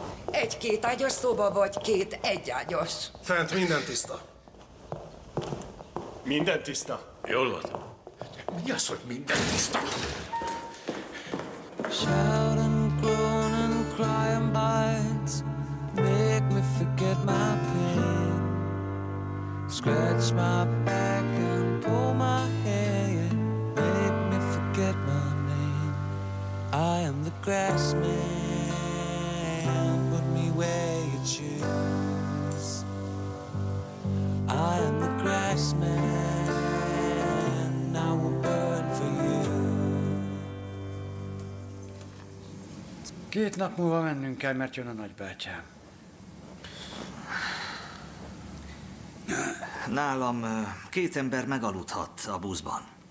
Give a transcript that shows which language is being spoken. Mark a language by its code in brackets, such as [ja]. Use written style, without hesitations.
[hu] Egy-két ágyas szoba, vagy két egyágyas? Fent minden tiszta. Minden tiszta? Jól van. Mi az, hogy minden tiszta? [en] Shout and groan and cry and bite, make me forget my pain. Scratch my back and pull my hair, yeah. Make me forget my name. I am the grass man, put me where you choose. I am the grass man, I will burn for you. [hu] Két nap múlva mennünk kell, mert jön a nagybátyám. Nálam két ember megaludhat a buszban.